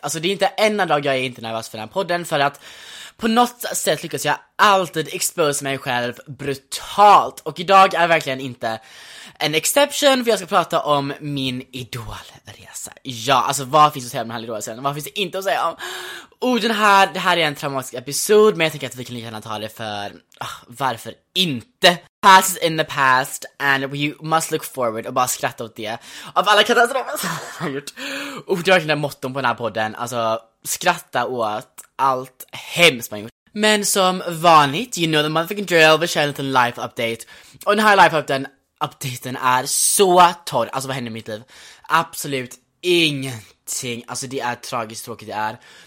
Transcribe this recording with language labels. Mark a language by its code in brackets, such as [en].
[sv] Alltså det är inte en dag jag är inte nervös för den här podden, för att på något sätt lyckas jag alltid expose mig själv brutalt. Och idag är verkligen inte en exception, för jag ska prata om min idolresa. Ja, alltså vad finns att säga om den här idolresan? Vad finns det inte att säga om? Oh, det här är en traumatisk episod, men jag tänker att vi kan lika gärna ta det för varför inte? [en] Past is in the past and we must look forward. [sv] Och bara skratta åt det. Av alla katastrofer som jag har gjort. Oh, det är verkligen motton på den här podden. Alltså skratta åt allt hemskt man gjort. Men som vanligt, [en] you know the motherfucking drill, [sv] vi kör en liten life update. Och den här life updaten är så torr. Alltså vad händer i mitt liv? Absolut ingenting. Alltså det är tragiskt tråkigt det är.